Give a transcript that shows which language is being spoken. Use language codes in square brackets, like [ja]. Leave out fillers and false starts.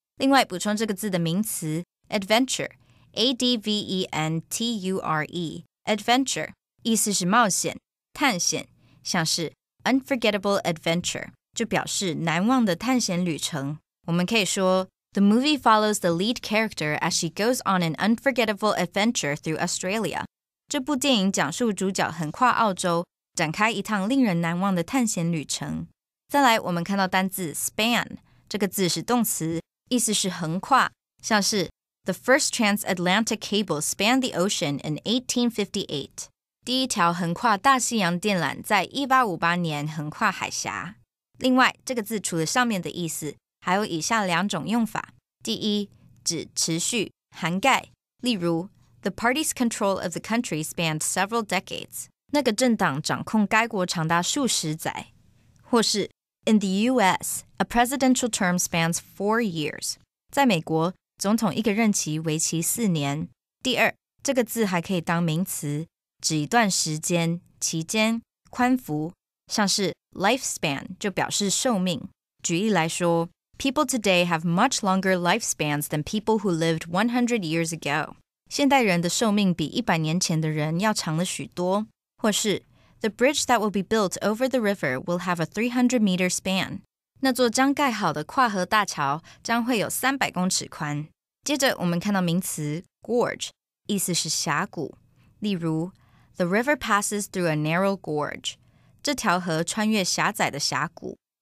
[zh] 另外补充这个字的名词 adventure, A-D-V-E-N-T-U-R-E, adventure, 意思是冒险、探险，像是 unforgettable adventure, 就表示难忘的探险旅程。 [en] 我们可以说 The movie follows the lead character as she goes on an unforgettable adventure through Australia. [zh] 这部电影讲述主角横跨澳洲，展开一趟令人难忘的探险旅程。再来，我们看到单字 span， 这个字是动词，意思是横跨，像是 [en] The first transatlantic cable spanned the ocean in 1858. [zh] 第一条横跨大西洋电缆在1858年横跨海峡。另外，这个字除了上面的意思，还有以下两种用法。 [en] 第一，指持续、涵盖，例如The party's control of the country spanned several decades. 那个政党掌控该国长达数十载。或是 In the US, a presidential term spans 4 years. [zh] 在美国，总统一个任期为期四年。第二，这个字还可以当名词，指一段时间、期间、宽幅。像是 lifespan 就表示寿命。 [en] 举例来说 ,People today have much longer lifespans than people who lived 100 years ago. [zh] 现代人的寿命比100年前的人要长了许多。 [en] 或是 The bridge that will be built over the river will have a 300 meter span. [zh] 那座将盖好的跨河大桥将会有300公尺宽。接着我们看到名词 gorge, 意思是峡谷。 [en] 例如 The river passes through a narrow gorge. [zh] 这条河穿越狭窄的峡谷。